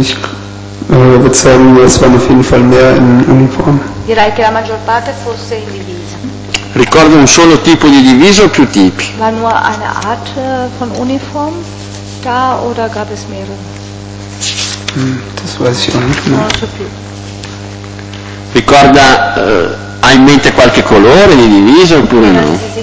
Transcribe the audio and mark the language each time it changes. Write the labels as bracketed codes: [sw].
[de] Ich würde sagen, es waren auf jeden Fall mehr in Uniform. [it] Direi che la maggior parte fosse in divisa. Ricordo un solo tipo di divisa o più tipi? [de] War nur eine Art von Uniform da oder gab es mehrere? Das weiß ich auch nicht mehr. [it] Non so più. Ricorda, ha in mente qualche colore di divisa oppure no?